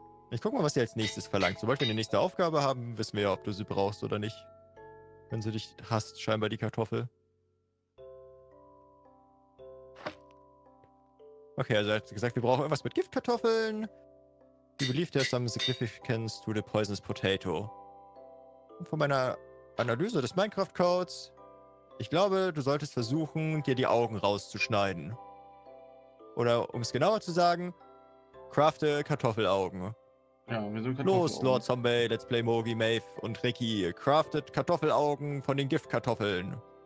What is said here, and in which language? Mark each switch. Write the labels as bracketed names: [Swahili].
[German] Ich guck mal, was sie als nächstes verlangt. Sobald wir die nächste Aufgabe haben, wissen wir ja, ob du sie brauchst oder nicht. Wenn sie dich hasst, scheinbar die Kartoffel. Okay, also er hat gesagt, wir brauchen irgendwas mit Giftkartoffeln. [English] You believe there's some significance to the poisonous potato. [German] Und von meiner Analyse des Minecraft-Codes, ich glaube, du solltest versuchen, dir die Augen rauszuschneiden. Oder um es genauer zu sagen, crafte Kartoffelaugen. Ja, wir sind Kartoffelaugen. Los, Lord Zombie, Let's Play Mogi, Maeve und Ricky, craftet Kartoffelaugen von den Giftkartoffeln.